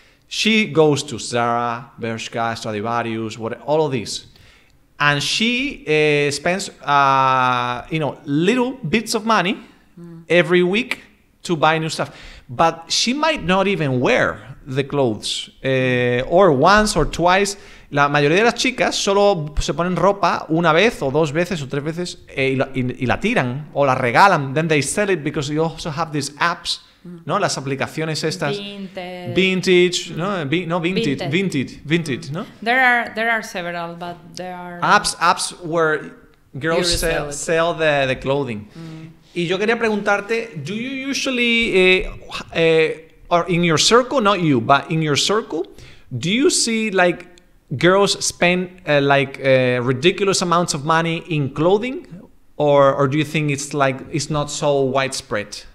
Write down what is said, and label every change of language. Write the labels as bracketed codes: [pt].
[en] She goes to Zara, Bershka, Stradivarius, all of these. And she spends, little bits of money every week to buy new stuff. But she might not even wear the clothes, or once or twice. [es] La mayoría de las chicas solo se ponen ropa una vez o dos veces o tres veces y la tiran o la regalan. [en] Then they sell it because you also have these apps, ¿no? [es] Las aplicaciones estas. Vintage. ¿No? [en] There are several, but there are apps where girls sell the clothing. Mm. [es] Y yo quería preguntarte, [en] do you usually or in your circle, not you, but in your circle, do you see like girls spend ridiculous amounts of money in clothing, or do you think it's like it's not so widespread?